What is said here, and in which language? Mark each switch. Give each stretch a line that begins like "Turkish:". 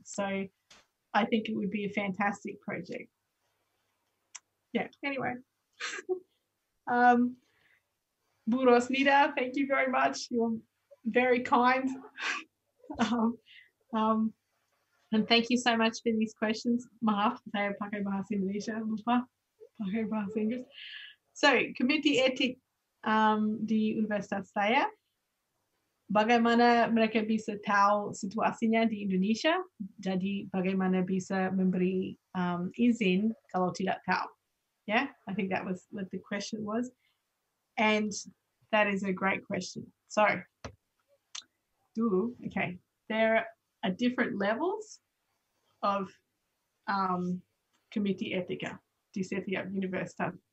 English: So I think it would be a fantastic project. Yeah, anyway. Bu Rosnida, thank you very much. You're very kind. And thank you so much for these questions.
Indonesian: Maaf, saya pakai bahasa Indonesia, lupa pakai bahasa Inggris. So, Komite Etik di Universitas saya, bagaimana mereka bisa tahu situasinya di Indonesia? Jadi, bagaimana bisa memberi izin kalau tidak tahu?
English: Yeah, I think that was what the question was. And that is a great question. So, okay, there are different levels of Komite Etika
Indonesian: di setiap universitas.